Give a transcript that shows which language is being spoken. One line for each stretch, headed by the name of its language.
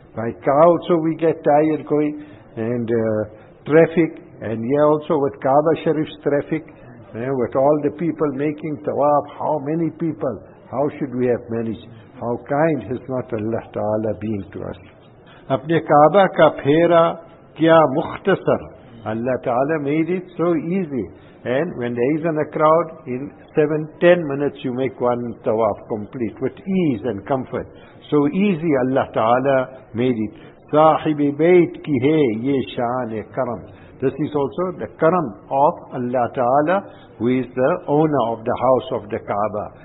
English: By car also we get tired going, and traffic, and here also with Kaaba Sharif's traffic, with all the people making tawaf, how many people, how should we have managed? How kind has not Allah Ta'ala been to us?
Urdu: اپنے کعبہ کا پھیرا کیا مختصر.
English: Allah Ta'ala made it so easy. And when there is a crowd, in 7-10 minutes you make one tawaf complete with ease and comfort. So easy Allah Ta'ala made it.
Urdu: صاحب بیت کی ہے یہ شان کرم.
English: This is also the karam of Allah Ta'ala, who is the owner of the house of the Kaaba.